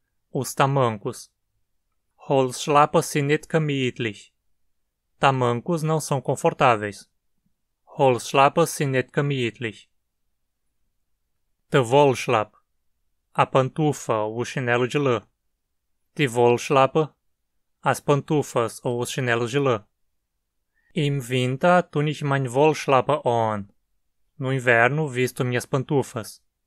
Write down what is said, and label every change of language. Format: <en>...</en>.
<pt>Os tamancos.</pt> <de>Holzschlappe sind nicht gemütlich.</de> <pt>Tamancos não são confortáveis.</pt> <de>Holzschlappe sind nicht gemütlich. Der Wollschlapp.</de> <pt>A pantufa, o chinelo de lã.</pt> <de>Die Wollschlappe.</de> <pt>As pantufas ou os chinelos de lã.</pt> <de>Im Winter tun ich mein Wollschlappe on.</de> <pt>No inverno visto minhas pantufas.</pt>